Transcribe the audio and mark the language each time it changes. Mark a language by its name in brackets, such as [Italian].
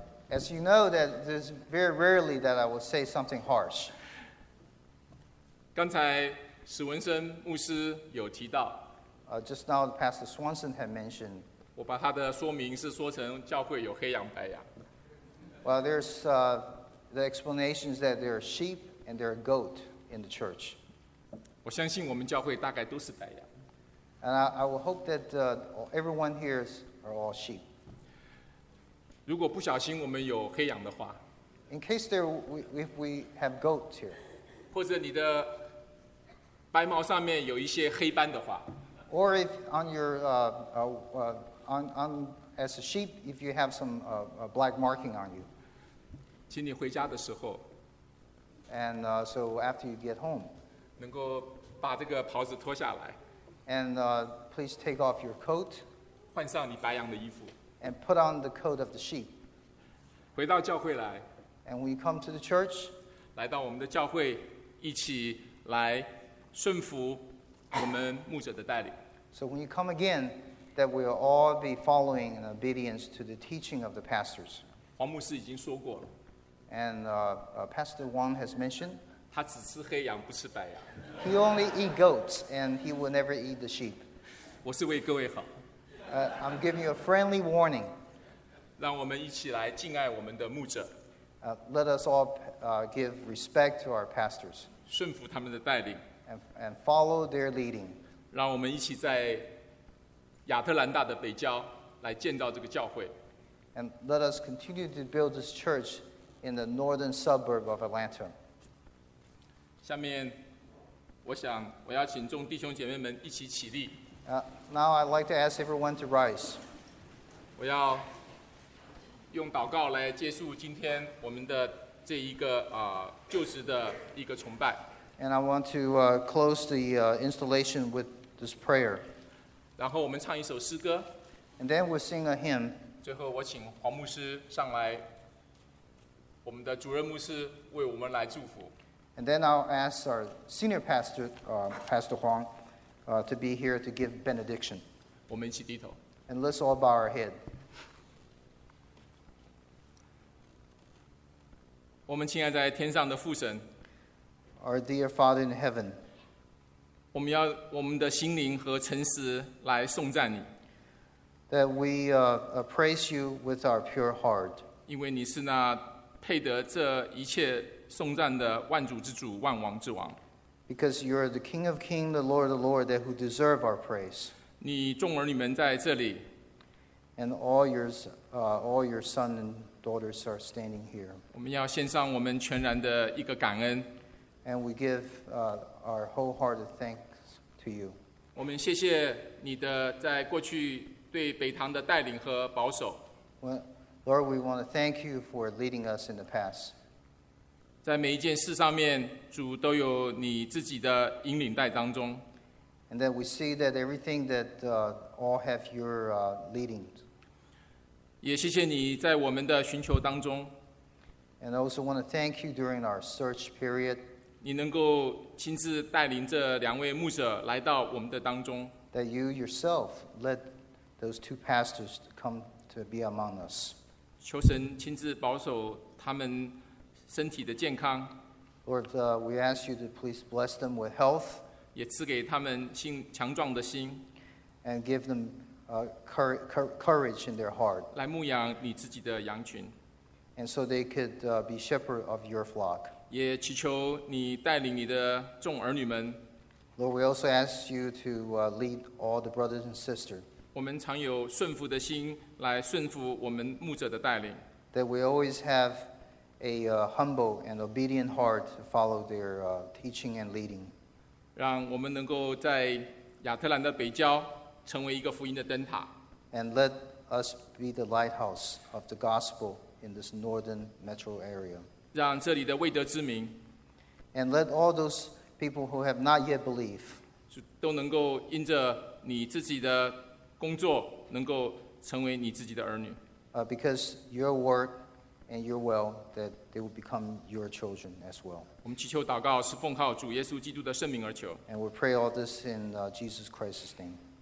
[English] As you know, that there's very rarely that I will say something harsh. [Chinese] 刚才史文森牧师有提到。 [English] Just now, Pastor Swanson had mentioned. [Chinese] 我把他的说明是说成教会有黑羊白羊。 [English] Well, there's the explanation is that there are sheep and there are goat in the church. [Chinese] 我相信我们教会大概都是白羊。 [English] And I will hope that everyone here are all sheep. [Chinese] 如果不小心我们有黑羊的话 [English] ，In case there if we have goats here， [Chinese] 或者你的白毛上面有一些黑斑的话 [English] ，Or if on your on as a sheep if you have some black marking on you， [Chinese] 请你回家的时候 [English] ，And so after you get home， [Chinese] 能够把这个袍子脱下来 [English] ，And please take off your coat， [Chinese] 换上你白羊的衣服。 [English] And put on the coat of the sheep. [Chinese] 回到教会来。 [English] And when you come to the church, [Chinese] 来到我们的教会，一起来顺服我们牧者的带领。 [English] So when you come again, that we'll all be following in obedience to the teaching of the pastors. [Chinese] 黄牧师已经说过了。 [English] And Pastor Wang has mentioned. [Chinese] 他只吃黑羊，不吃白羊。 [English] He only eat goats, and he will never eat the sheep. [Chinese] 我是为各位好。 [English] I'm giving you a friendly warning. [Chinese] 让我们一起来敬爱我们的牧者。 [English] Let us all give respect to our pastors. [Chinese] 顺服他们的带领。 [English] And follow their leading. [Chinese] 让我们一起在亚特兰大的北郊来建造这个教会。 [English] And let us continue to build this church in the northern suburb of Atlanta. [Chinese] 下面我想我邀请众弟兄姐妹们一起起立。 [English] Now I'd like to ask everyone to rise. [Chinese] 我要用祷告来结束今天我们的这一个就职的一个崇拜。 [English] And I want to close the installation with this prayer. [Chinese] 然后我们唱一首诗歌。 [English] And then we'll sing a hymn. [Chinese] 最后我请黄牧师上来，我们的主任牧师为我们来祝福。 [English] And then I'll ask our senior pastor, Pastor Huang, to be here to give benediction. [Chinese] 我们一起低头。 [English] And let's all bow our head. [Chinese] 我们亲爱在天上的父神。 [English] Our dear Father in heaven, [Chinese] 我们要我们的心灵和诚实来颂赞你。 [English] That we praise you with our pure heart. [Chinese] 因为你是那配得这一切颂赞的万主之主、万王之王。 [English] Because you are the King of Kings, the Lord of Lords, that who deserve our praise. [Chinese] 你众儿女们在这里。 [English] And all your sons and daughters are standing here. [Chinese] 我们要献上我们全然的一个感恩。 [English] And we give our wholehearted thanks to you. [Chinese] 我们谢谢你的在过去对北堂的带领和保守。 [English] Lord, we want to thank you for leading us in the past. [Chinese] 在每一件事上面，主都有你自己的引领带当中。 [English] And that we see that everything that all have your leading. [Chinese] 也谢谢你在我们的寻求当中。 [English] And I also want to thank you during our search period. [Chinese] 你能够亲自带领这两位牧者来到我们的当中。 [English] That you yourself led those two pastors to come to be among us. [Chinese] 求神亲自保守他们身体的健康。 [English] Lord, we ask you to please bless them with health. [Chinese] 也赐给他们强壮的心。 [English] And give them courage in their heart. [Chinese] 来牧养你自己的羊群。 [English] And so they could be shepherd of your flock. [Chinese] 也祈求你带领你的众儿女们。 [English] Lord, we also ask you to lead all the brothers and sisters. [Chinese] 我们常有顺服的心来顺服我们牧者的带领。 [English] That we always have a humble and obedient heart to follow their teaching and leading. [Chinese] 让我们能够在亚特兰的北郊成为一个福音的灯塔。 [English] And let us be the lighthouse of the gospel in this northern metro area. [Chinese] 让这里的未得之民 [English] and let all those people who have not yet believed [Chinese] 都能够因着你自己的工作能够成为你自己的儿女 [English] because your work and your will that they will become your children as well [Chinese] 我们祈求祷告是奉靠主耶稣基督的圣名而求 [English] and we pray all this in Jesus Christ's name